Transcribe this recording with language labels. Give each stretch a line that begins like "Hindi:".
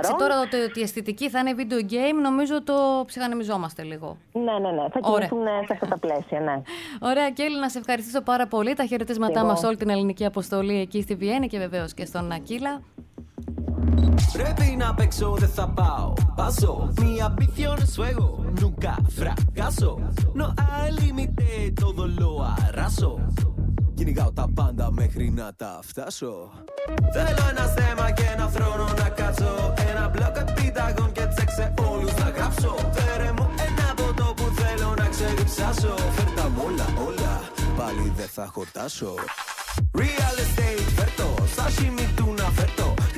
Greek: Εντάξει, τώρα ότι η αισθητική θα είναι video game, νομίζω το ψυχανεμιζόμαστε λίγο. Ναι. Θα κυριαρχούν σε αυτά τα πλαίσια, ναι. Ωραία, Κέλλη, να σε ευχαριστήσω πάρα πολύ. Τα χαιρετήματά μας όλη την ελληνική αποστολή εκεί στη Βιέννη και βεβαίως και στον Ακύλα. Πρέπει να παίξω, δεν θα πάω. Πάσω,
Spanish: mi ambición es fuego. Nunca fracaso. No hay límite, todo lo arraso.
Greek: Κυνηγάω τα πάντα μέχρι να τα φτάσω. Θέλω ένα θέμα και ένα θρόνο να κάτσω. Ένα μπλοκ επίταγων και τσεκ σε όλους να γράψω. Φέρε μου ένα ποτό που θέλω να ξεριψάσω. Φέρ τα όλα, όλα, πάλι δεν θα χορτάσω. Real estate, φέρτο, σάσιμι του να φέρτο.